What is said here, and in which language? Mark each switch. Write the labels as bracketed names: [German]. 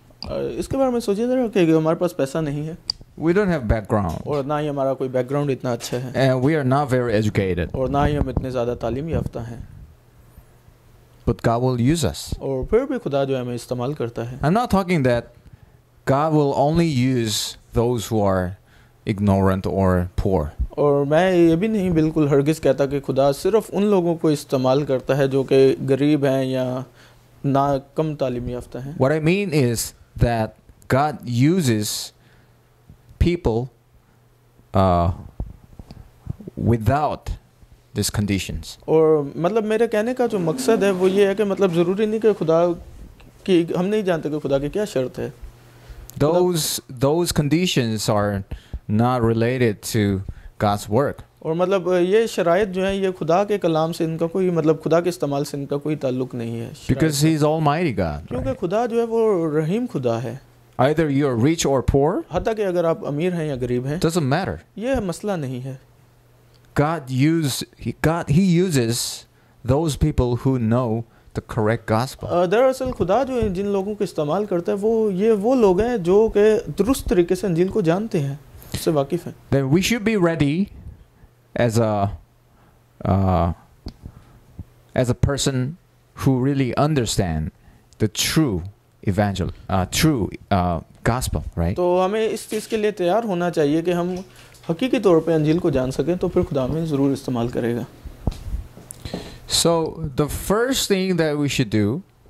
[Hindi] इसके बारे में सोचिए जरा कि हमारे पास पैसा नहीं है. [English] We don't have background. [Hindi] और ना ही हमारा कोई बैकग्राउंड इतना अच्छा है. [English] And we are not very educated. [Hindi] और ना ही हम इतने ज्यादा तालीम याफ्ता हैं. [English] But God will use us. [Hindi] और फिर भी खुदा जो है हमें इस्तेमाल करता है. [English] I'm not talking that God will only use those who are ignorant or poor. [Hindi] और मैं ये भी नहीं बिल्कुल हरगिज कहता कि खुदा सिर्फ उन लोगों को इस्तेमाल करता है जो कि गरीब हैं या ना कम तालीम याफ्ता हैं. [English] What I mean is that God uses people without these conditions. [Hindi] और मतलब मेरे कहने का जो मकसद है वो ये है कि मतलब जरूरी नहीं कि खुदा की हम नहीं जानते कि खुदा की क्या शर्त है. [English] Those conditions are not related to God's work. [Hindi] और मतलब ये शरायत जो है ये खुदा के कलाम से इनका कोई मतलब खुदा के इस्तेमाल से इनका कोई ताल्लुक नहीं है. [English] Because he is almighty God. [Hindi] क्योंकि खुदा जो है वो रहीम खुदा है. [English] Either you are rich or poor. [Hindi] हत्ता कि अगर आप अमीर हैं या गरीब हैं. [English] Doesn't matter. [Hindi] ये मसला नहीं है. [English] He uses those people who know the correct gospel. [Hindi] दरअसल खुदा जो जिन लोगों को इस्तेमाल करता है वो ये वो लोग हैं जो के दुरुस्त तरीके से इंजील को जानते हैं, उससे वाकिफ हैं. [English] Then we should be ready as a person who really understand the true evangel, true gospel, right? [Hindi] तो हमें इस चीज के लिए तैयार होना चाहिए कि हम हकीकी तौर पे अंजील को जान सकें तो फिर खुदा में जरूर इस्तेमाल करेगा. [English] So the first thing that we should do